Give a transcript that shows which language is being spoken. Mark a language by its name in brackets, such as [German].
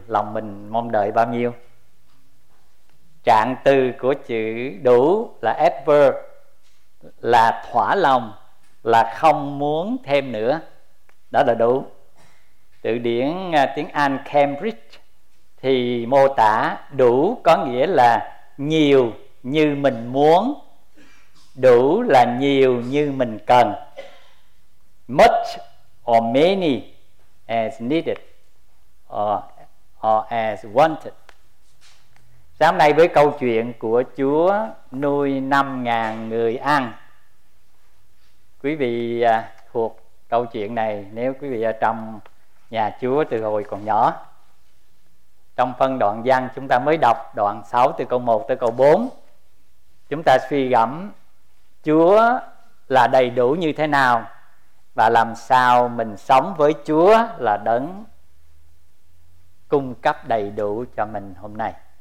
[Vietnamese] Lòng mình mong đợi bao nhiêu? Trạng từ của chữ đủ là ever, là thỏa lòng, là không muốn thêm nữa. Đó là đủ. Từ điển tiếng Anh Cambridge thì mô tả đủ có nghĩa là nhiều như mình muốn, đủ là nhiều như mình cần. [English] Much or many as needed or as wanted. [Vietnamese] Sáng nay với câu chuyện của Chúa nuôi 5.000 người ăn, quý vị thuộc câu chuyện này nếu quý vị ở trong nhà Chúa từ hồi còn nhỏ. Trong phân đoạn văn chúng ta mới đọc, đoạn 6 từ câu 1 tới câu 4, chúng ta suy gẫm Chúa là đầy đủ như thế nào và làm sao mình sống với Chúa là đấng cung cấp đầy đủ cho mình hôm nay.